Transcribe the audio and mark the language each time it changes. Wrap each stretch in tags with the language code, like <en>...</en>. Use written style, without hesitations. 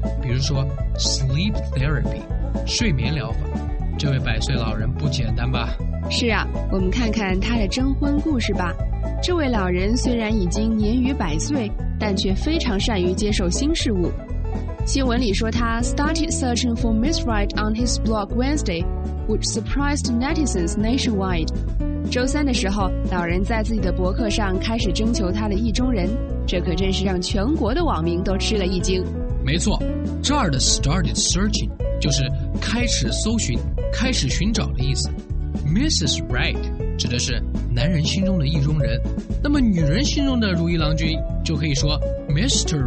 <zh>比如说 sleep therapy, 睡眠疗法。这位百岁老人不简单吧？是啊，我们看看他的征婚故事吧。这位老人虽然已经年逾百岁，但却非常善于接受新事物。新闻里说他</zh> <en>started searching for Ms. Wright on his blog Wednesday, which surprised netizens nationwide.</en> <zh>周三的时候，老人在自己的博客上开始征求他的意中人，这可真是让全国的网民都吃了一惊。没错，这儿的 started searching 就是开始搜寻、开始寻找的意思。</zh> <en>Mrs.</en> <zh>Wright 指的是男人心中的意中人，那么女人心中的如意郎君就可以说 Mr.</zh>